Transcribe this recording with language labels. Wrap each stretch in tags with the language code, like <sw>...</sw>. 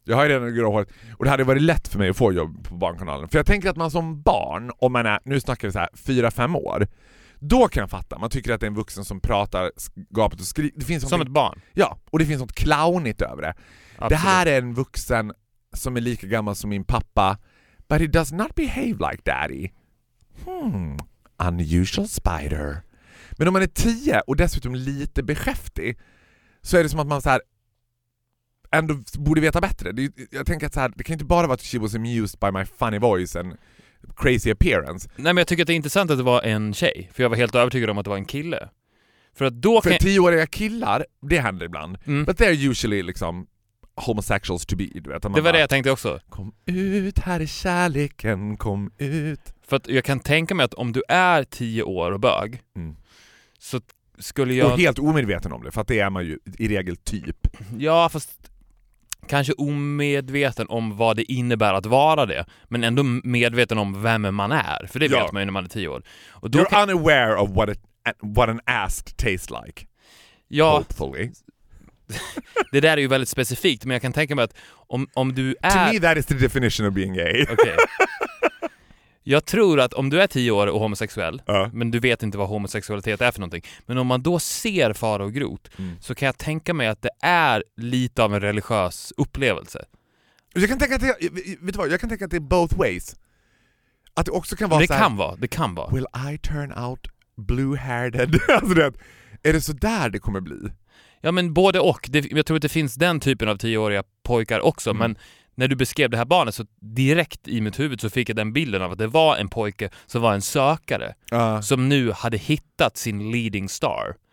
<sv>Jag har ju redan det gråa håret. Och det hade varit lätt för mig att få jobb på Barnkanalen. För jag tänker att man som barn, om man är, nu snackar vi så här, 4-5 år. Då kan jag fatta. Man tycker att det är en vuxen som pratar gapet och skriker. Som ett barn. Ja, och det finns något clownigt över det. Absolut. Det här är en vuxen som är lika gammal som min pappa.</sv> <en>But he does not behave like daddy. Unusual spider.</en> <sv>Men om man är 10 och dessutom lite beskäftig, så är det som att man så här ändå borde veta bättre. Jag tänker att så här, det kan inte bara vara att</sv> <en>she was amused by my funny voice and crazy appearance.</en> <sv>Nej, men jag tycker att det är intressant att det var en tjej. För jag var helt övertygad om att det var en kille. För att då för kan... tioåriga killar, det händer ibland. Mm.</sv> <en>But they're usually liksom homosexuals to be.</en> <sv>Du vet, det var det jag tänkte också. Kom ut, här i kärleken, kom ut. För att jag kan tänka mig att om du är 10 år och bög, så skulle jag... Och helt omedveten om det, för att det är man ju i regel typ. Ja, fast kanske omedveten om vad det innebär att vara det, men ändå medveten om vem man är. För det vet man ju när man är 10 år. Och då</sv> <en>You're unaware of what an ass tastes like.</en> <sv>Ja,</sv> <en>hopefully.</en> <sv>Det där är ju väldigt specifikt, men jag kan tänka mig att om du är...</sv> <en>To me that is the definition of being gay.</en> <sv>Okej. Jag tror att om du är 10 år och homosexuell, men du vet inte vad homosexualitet är för någonting, men om man då ser fara och grot, så kan jag tänka mig att det är lite av en religiös upplevelse. Jag kan tänka att det, vet du vad, jag kan tänka att det är</sv> <en>both ways.</en> <sv>Att det också kan vara det så här, kan vara, det kan vara.</sv> <en>Will I turn out blue-haired?</en> <sv>Alltså det, är det så där det kommer bli? Ja, men både och. Det, jag tror att det finns den typen av 10-åriga pojkar också, men när du beskrev det här barnet så direkt i mitt huvud så fick jag den bilden av att det var en pojke som var en sökare som nu hade hittat sin</sv> <en>leading star.</en>